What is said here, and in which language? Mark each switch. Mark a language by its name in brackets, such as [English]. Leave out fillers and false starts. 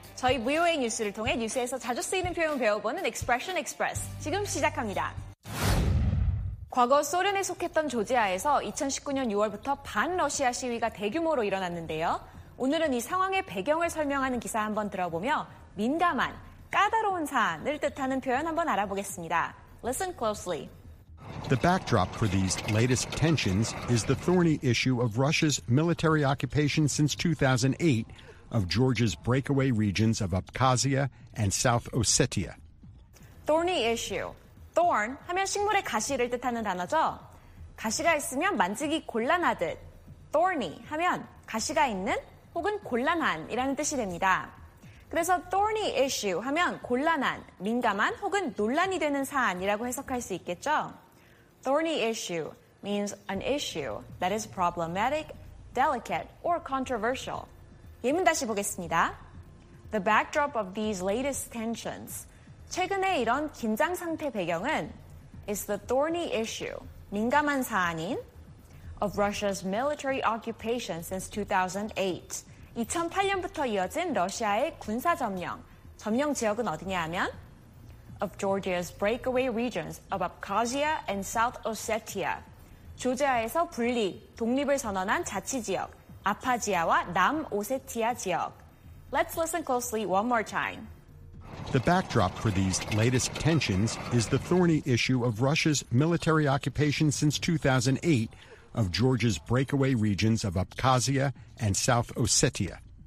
[Korean] 저희 VOA 뉴스를 통해 뉴스에서 자주 쓰이는 표현 배워보는 Expression Express, 지금 시작합니다. 과거 소련에 속했던 조지아에서 2019년 6월부터 반러시아 시위가 대규모로 일어났는데요. 오늘은 이 상황의 배경을 설명하는 기사 한번 들어보며 민감한, 까다로운 사안을 뜻하는 표현 한번 알아보겠습니다. [English] Listen closely. The backdrop for these latest tensions is the thorny issue of Russia's military occupation since 2008 of Georgia's breakaway regions of Abkhazia and South Ossetia. [Korean] Thorny issue. Thorn 하면 식물의 가시를 뜻하는 단어죠. 가시가 있으면 만지기 곤란하듯 thorny 하면 가시가 있는 혹은 곤란한이라는 뜻이 됩니다. 그래서 thorny issue 하면 곤란한, 민감한 혹은 논란이 되는 사안이라고 해석할 수 있겠죠. [English] Thorny issue means an issue that is problematic, delicate, or controversial. 예문 다시 보겠습니다. The backdrop of these latest tensions [Korean] 최근에 이런 긴장 상태 배경은 [English] is the thorny issue, [Korean] 민감한 사안인 [English] of Russia's military occupation since 2008. [Korean] 2008년부터 이어진 러시아의 군사 점령, 점령 지역은 어디냐 하면 [English] of Georgia's breakaway regions of Abkhazia and South Ossetia. [Korean] 조지아에서 분립, 독립을 선언한 자치 지역, 아파지아와 남 오세티아 지역. [English] Let's listen closely one more time. The backdrop for these latest tensions is the thorny issue of Russia's military occupation since 2008 of Georgia's breakaway regions of Abkhazia and South Ossetia.